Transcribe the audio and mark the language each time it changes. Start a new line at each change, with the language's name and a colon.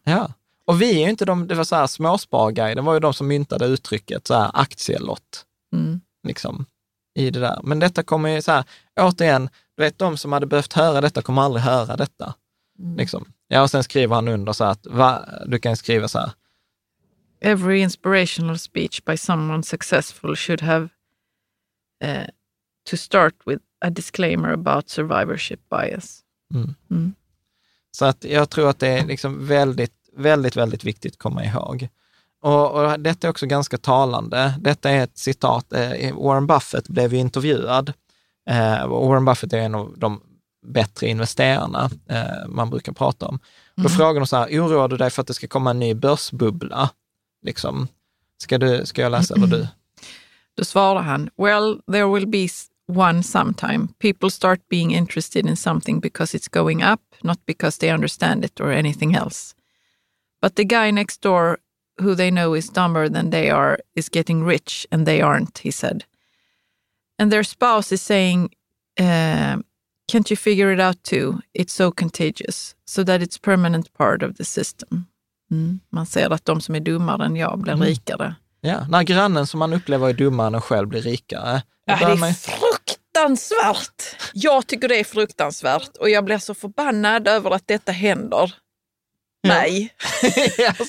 Swedish: Ja, och vi är ju inte de, det var så här småsparguiden, det var ju de som myntade uttrycket så här aktielott. Mm. Liksom, i det där. Men detta kommer ju så här, återigen, du vet, de som hade behövt höra detta kommer aldrig höra detta. Mm. Liksom. Ja, och sen skriver han under så att du kan skriva så här:
English: Every inspirational speech by someone successful should have to start with a disclaimer about survivorship bias. Mm.
Swedish: Så att jag tror att det är liksom väldigt, väldigt, väldigt viktigt att komma ihåg. Och detta är också ganska talande. Detta är ett citat. Warren Buffett blev ju intervjuad. Warren Buffett är en av de bättre investerarna man brukar prata om. Då frågar de så här: oroar du dig för att det ska komma en ny börsbubbla? Liksom. Ska jag läsa eller du? Då svarar han:
English: well, there will be one sometime. People start being interested in something because it's going up, not because they understand it or anything else. But the guy next door, who they know is dumber than they are, is getting rich and they aren't, he said. And their spouse is saying, can't you figure it out too? It's so contagious, so that it's permanent part of the system. Mm.
Swedish: Man säger att de som är dummare än jag blir rikare. Ja, när grannen som man upplever är dummare än själv blir rikare. Det är fruktansvärt. Jag tycker det är fruktansvärt. Och jag blir så förbannad över att detta händer. Ja. Nej. Ja,